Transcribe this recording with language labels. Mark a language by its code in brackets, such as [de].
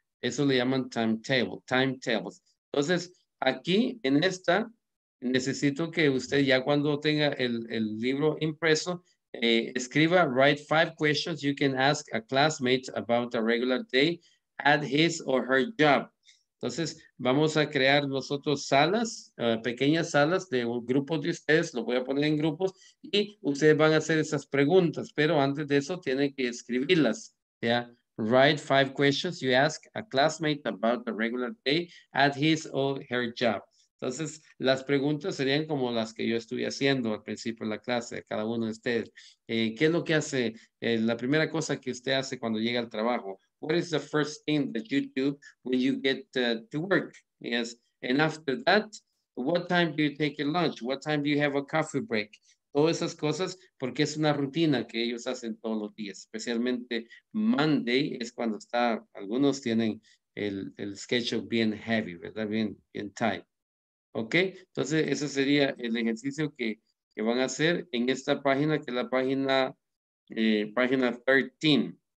[es] Eso le llaman timetables. Entonces, aquí en esta, necesito que usted ya cuando tenga el libro impreso, escriba, [en] write 5 questions you can ask a classmate about a regular day at his or her job. [es] Entonces, vamos a crear nosotros salas, pequeñas salas de grupos de ustedes, lo voy a poner en grupos, y ustedes van a hacer esas preguntas, pero antes de eso tienen que escribirlas, ¿ya? [en] Write 5 questions you ask a classmate about a regular day at his or her job. [es] Entonces, las preguntas serían como las que yo estuve haciendo al principio de la clase, a cada uno de ustedes. ¿Qué es lo que hace? La primera cosa que usted hace cuando llega al trabajo. [en] What is the first thing that you do when you get to work? Yes. And after that, what time do you take your lunch? What time do you have a coffee break? [es] Todas esas cosas, porque es una rutina que ellos hacen todos los días. Especialmente Monday es cuando está, algunos tienen el schedule bien heavy, ¿verdad? Bien tight. Ok, entonces ese sería el ejercicio que van a hacer en esta página, que es la página, página 13.